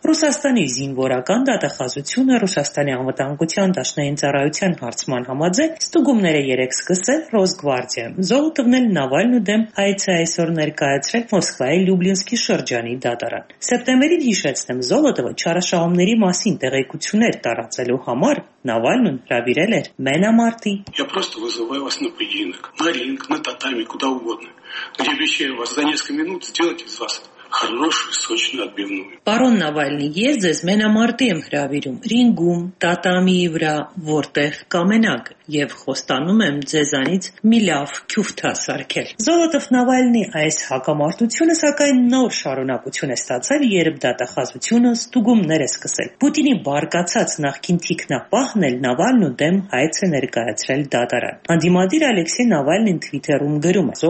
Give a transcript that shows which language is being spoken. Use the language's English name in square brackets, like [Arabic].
[Armenian] Ռուսաստանի զինվորական դատախազությունը Ռուսաստանի անվտանգության դաշնային ծառայության հարցման համաձայն ստուգումները 3 սկսել Ռոսգվարդիայում։ Զոլոտովն էլ Նավալնու դեմ հայց է այսօր ներկայացրել Մոսկվայի Լյուբլինսկի շրջանի դատարան։ Սեպտեմբերին, հիշեցնեմ, Զոլոտովը չարաշահումների մասին տեղեկություններ տարածելու համար Նավալնուն հրավիրել էր մենամարտի։ [Russian] Я просто вызываю вас на поединок, на ринг, на татами, куда угодно. Я обещаю вас за несколько минут сделать из вас хорошую, сочную отбивную. [Armenian] Պարոն Նավալնի, ես ձեզ մենամարտի եմ հրավիրում, ռինգում, տատամի վրա, որտեղ կամենակ, և խոստանում եմ ձեզանից մի լավ քյուֆթ հասարքել։ Զոլոտով Նավալնի այս հակամարտությունը, սակայն, նոր շարունակություն է ստացել, երբ դատախազությունը ստուգումներ է սկսել։ Պուտինի բարկացած նախկին թիկնապահն էլ Նավալնու դեմ հայց է ներկայացրել դատարան։ Անդիմադիր Ալեքսեյ Նավալնին Թվիտերում գրում է.